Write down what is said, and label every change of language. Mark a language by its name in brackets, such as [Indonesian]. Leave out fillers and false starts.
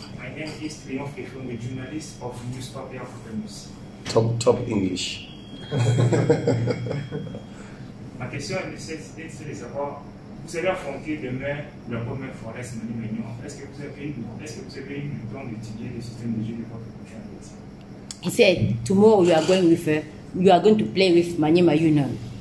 [English] My name is Triumph, I'm a journalist of newspaper of the news. Top English. [French] Ma question est de savoir, vous allez affronter demain la première forêt, Mani Maignon. Est-ce que vous avez eu le temps d'étudier le système de jeu de votre prochain [English] match? He said, tomorrow you are going to play with Maniema Union.